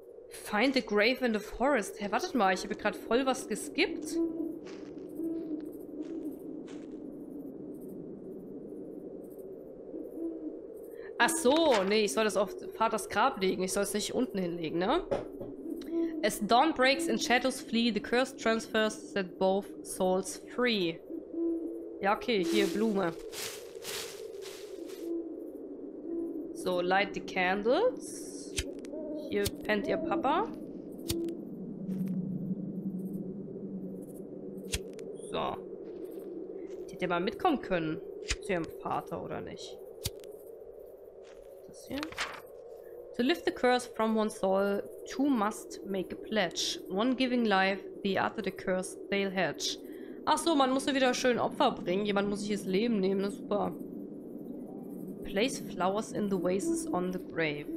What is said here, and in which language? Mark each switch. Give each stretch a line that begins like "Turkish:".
English: Find the grave in the forest.
German: Hä, wartet mal, ich habe gerade voll was geskippt. Ach so, nee, ich soll das auf Vaters Grab legen. Ich soll es nicht unten hinlegen, ne?
English: As dawn breaks and shadows flee, the curse transfers set both souls free.
German: Ja, okay, hier, Blume.
English: So, light the candles.
German: Hier pennt ihr Papa. So. Die hätte mal mitkommen können zu ihrem Vater, oder nicht? Hier.
English: To lift the curse from one's soul, two must make a pledge. One giving life, the other the curse they'll hatch.
German: Ach so, man muss ja wieder schön Opfer bringen. Jemand muss sich das Leben nehmen, das ist super.
English: Place flowers in the vases on the grave.